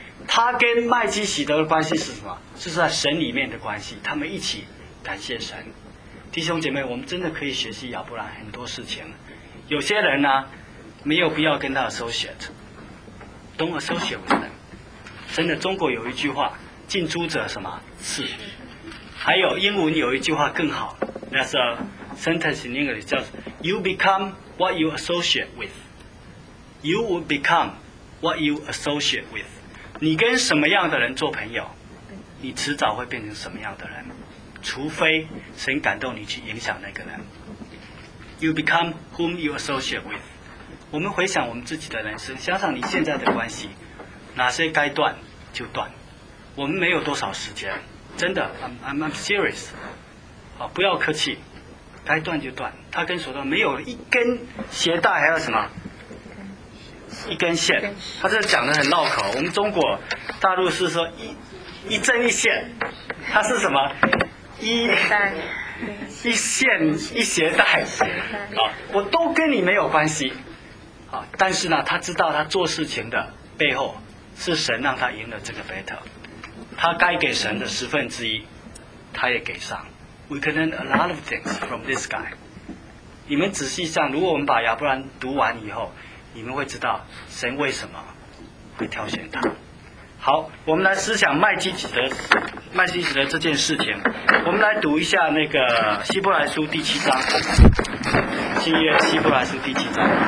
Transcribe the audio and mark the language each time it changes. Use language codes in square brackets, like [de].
[zh] 他跟麦基洗德的关系是什么？就是在神里面的关系，他们一起感谢神。弟兄姐妹，我们真的可以学习亚伯兰很多事情。有些人呢，没有必要跟他 associate， [en] don't associate with them。 [zh] 真的，中国有一句话，近朱者什么赤。还有英文有一句话更好， [en] That's a sentence in English， 叫 You become what you associate with. You will become what you associate with. [zh] 你跟什么样的人做朋友，你迟早会变成什么样的人，除非神感动你去影响那个人。 [en] You become whom you associate with. [zh] 我们回想我们自己的人生，想想你现在的关系，哪些该断就断。我们没有多少时间，真的， [en] I'm serious， [zh] 好，不要客气，该断就断。他跟索多没有一根鞋带，还有什么一根线，他这讲得很绕口。我们中国大陆是说一针一线，他是什么一线一鞋带，我都跟你没有关系。好，但是呢，他知道他做事情的背后是神让他赢了这个 battle。他该给神的十分之一他也给上。 [en] We can learn a lot of things from this guy. [zh] 你们仔细想，如果我们把亚伯兰读完以后，你们会知道神为什么会挑选他。好，我们来思想麦基洗德，麦基洗德这件事情。我们来读一下那个希伯来书第七章，新约希伯来书第七章。